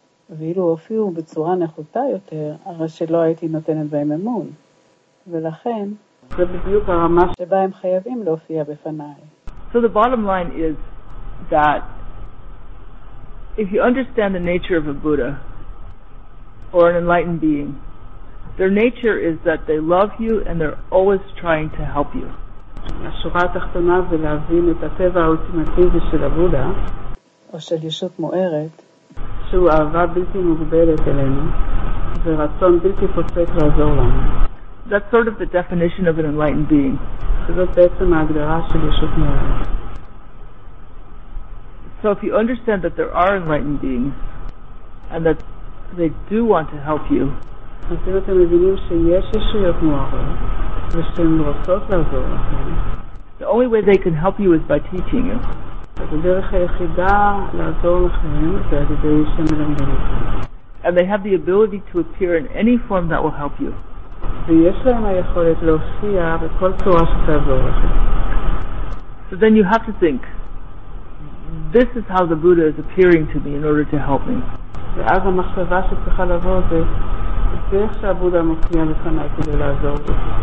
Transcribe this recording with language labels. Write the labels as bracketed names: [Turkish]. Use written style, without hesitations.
[Hebrew] ואילו הופיעו בצורה נחותה יותר, הרי שלא הייתי נותנת בהם אמון. ולכן, זה בדיוק הרמה שבה הם חייבים להופיע בפניי. [English] So the bottom line is that if you understand the nature of a Buddha or an enlightened being, their nature is that they love you and they're always trying to help you. [Hebrew] השורה התחתונה זה להבין את הטבע האולטימטיבי של הבודה או של ישות מוארת, שהוא אהבה בלתי מוגבלת אלינו ורצון בלתי פוסק לעזור לנו. [English] That's sort of the definition of an enlightened being. [Hebrew] זאת בעצם ההגדרה של ישות מוארת. [English] So if you understand that there are enlightened beings and that they do want to help you, [Hebrew] אז אם אתם מבינים שיש ישויות מוארות ושהן רוצות לעזור לכם, [English] the only way they can help you is by teaching you. [Hebrew] הדרך היחידה לעזור לכם זה על ידי שמלמדים אתכם. [English] And they have the ability to appear in any form that will help you. [Hebrew] ויש להם היכולת להופיע בכל צורה שתעזור לכם. [English] So then you have to think, this is how the Buddha is appearing to me in order to help me. [Hebrew] ואז המחשבה שצריכה לבוא זה, זה איך שהבודה מופיע לפניי כדי לעזור לי.